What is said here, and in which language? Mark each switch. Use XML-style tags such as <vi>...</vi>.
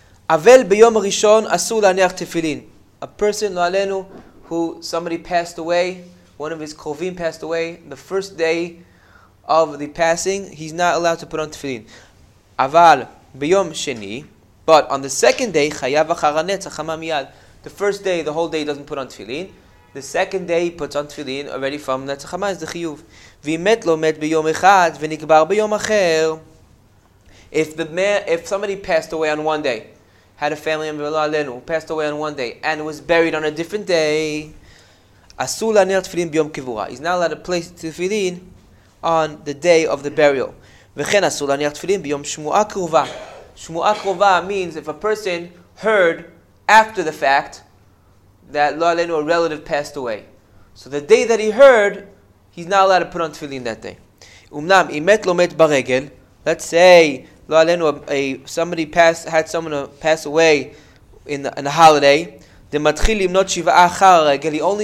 <he>אבל ביום הראשון אסור להניח תפילין.</he> <en>A person, לא עלינו, who somebody passed away, one of his קרובים passed away, the first day of the passing, he's not allowed to put on תפילין.</en> <he>אבל ביום שני,</he> <en>but on the second day,</en> <he>חייב אחר הנצח, חמה מיד.</he> <en>The first day, the whole day, he doesn't put on תפילין. The second day, he puts on תפילין, already from נצח חמה,</en> <he>זה חיוב. ואם מת לו, מת ביום אחד, ונקבר ביום אחר.</he> <en>If somebody passed away on one day, had a family member, לא עלינו, who passed away on one day, and was buried on a different day,</en> <he>אסור להניח תפילין ביום קבורה.</he> <en>He's not allowed to place תפילין on the day of the burial.</en> <he>וכן אסור להניח תפילין ביום שמועה קרובה.</he> <en>שמועה קרובה means if a person heard after the fact that לא עלינו, a relative passed away. So the day that he heard, he's not allowed to put on תפילין that day.</en> <he>אמנם, אם מת לא מת ברגל,</he> <en>let's say, לא עלינו, somebody passed, had someone pass away in a holiday.</en> <he>זה מתחיל למנות שבעה אחר הרגל.</he>